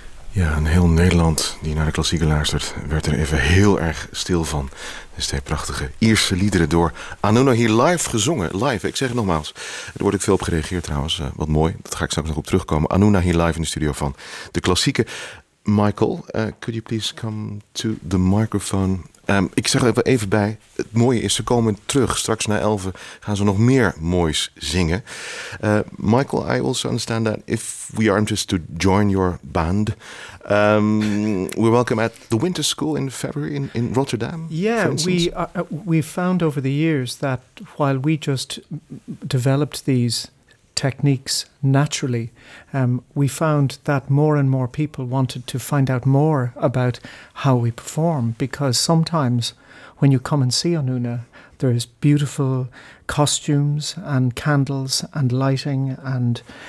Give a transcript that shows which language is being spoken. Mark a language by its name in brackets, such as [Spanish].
[Dutch] Ja, een heel Nederland die naar de klassieken luistert, werd er even heel erg stil van. Dus die prachtige Ierse liederen door Anuna hier live gezongen. Live, ik zeg het nogmaals. Er wordt ook veel op gereageerd trouwens. Wat mooi, dat ga ik straks nog op terugkomen. Anuna hier live in de studio van de klassieken. [English] Michael, could you please come to the microphone? [Dutch] Ik zeg er even bij, het mooie is, ze komen terug. Straks na 11 gaan ze nog meer moois zingen. [English] Michael, I also understand that if we are interested to join your band, we're welcome at the Winter School in February in Rotterdam. Yeah, we've found over the years that while we just developed these techniques naturally, we found that more and more people wanted to find out more about how we perform, because sometimes when you come and see Anuna, there's beautiful costumes and candles and lighting and